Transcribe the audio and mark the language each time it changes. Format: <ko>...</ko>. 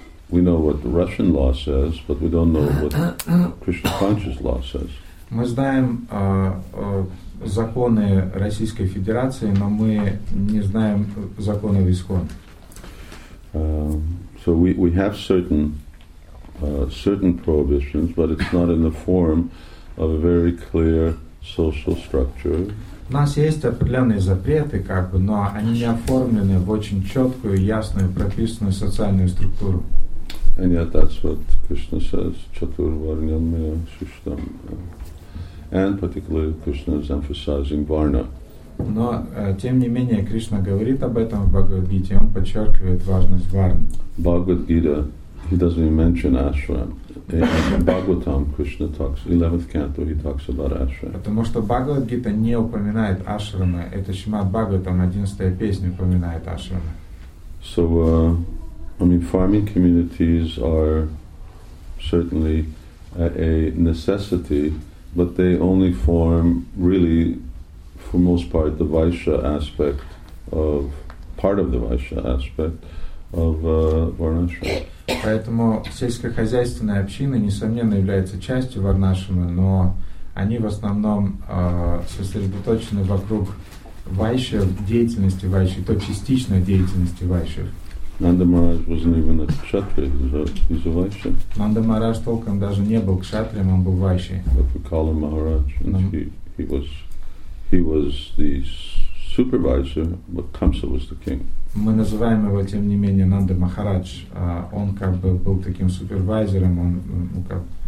<en>We know what the Russian law says, but we don't know what Krishna conscious law says.</en> <ru>Мы знаем законы Российской Федерации, но мы не знаем законы в Исхон.</ru> <en>So we have certain prohibitions, but it's not in the form of a very clear social structure.</en> <ru>У нас есть определенные запреты, как бы, но они не оформлены в очень четкую, ясную, прописанную социальную структуру.</ru> <en>And yet that's what Krishna says,</en> <sa>Chaturvarnyamaya Shushtam.</sa> <en>And particularly Krishna is emphasizing Varna.</en> <ru>Но, тем не менее, Кришна говорит об этом в Бхагавад-гите, он подчеркивает важность Варны.</ru> <en>Бхагавад-гита, he doesn't even mention ashram. In Bhagavatam, Krishna talks, 11th canto, he talks about ashram.</en> <ru>Потому что Бхагавад-гита не упоминает ашрамы. Это Шримад-Бхагаватам, 11-я песня упоминает ашрамы.</ru> <en>So, farming communities are certainly a necessity, but they only form, really, for most part, the Vaishya aspect of, part of the Vaishya aspect of Varnashram.</en> <ru>Поэтому сельскохозяйственная община, несомненно, является частью Варнашрамы, но они в основном сосредоточены вокруг вайшев, деятельности вайшев, то частично деятельности вайшев.</ru> <en>Нанда Махарадж wasn't even a kshatriya, he's a vaishya.</en> <ru>Нанда Махарадж толком даже не был кшатрием, он был вайшей.</ru> <en>But we call him Maharaj, and he was the supervisor, but Tamsa was the king.</en> <ru>Мы называем его, тем не менее, Нанда Махарадж. Он как бы был таким супервайзером, он как</ru>